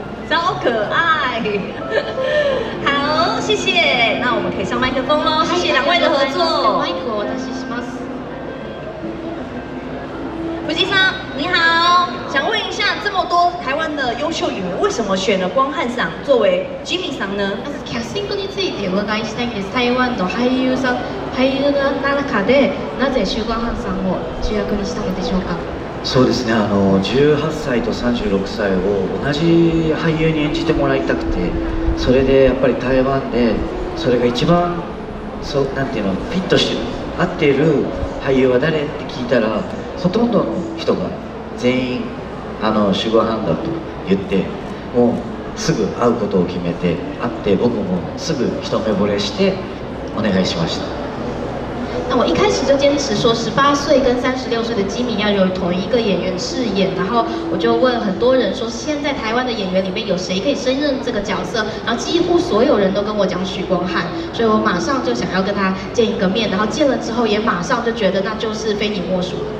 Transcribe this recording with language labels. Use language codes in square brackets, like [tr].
[zh] 超可爱，好，谢谢。那我们可以上麦克风喽，谢谢两位的合作。麦克，我是什么？福吉桑，你好，想问一下，这么多台湾的优秀演员，为什么选了光汉桑作为 Jimmy 桑呢？ [ja] まずキャスティングについてお伺いしたいです。台湾の俳優さん、俳優の中でなぜ周光汉桑を主役にしたのでしょうか？そうですね、18歳と36歳を同じ俳優に演じてもらいたくて、それでやっぱり台湾でそれが一番そうなんていうのフィットしてる合っている俳優は誰って聞いたら、ほとんどの人が全員守護班だと言って、もうすぐ会うことを決めて、会って僕もすぐ一目惚れしてお願いしました。 [zh] 那我一开始就坚持说18岁跟36岁的吉米要由同一个演员饰演，然后我就问很多人说，现在台湾的演员里面有谁可以胜任这个角色？然后几乎所有人都跟我讲许光汉，所以我马上就想要跟他见一个面，然后见了之后也马上就觉得那就是非你莫属了。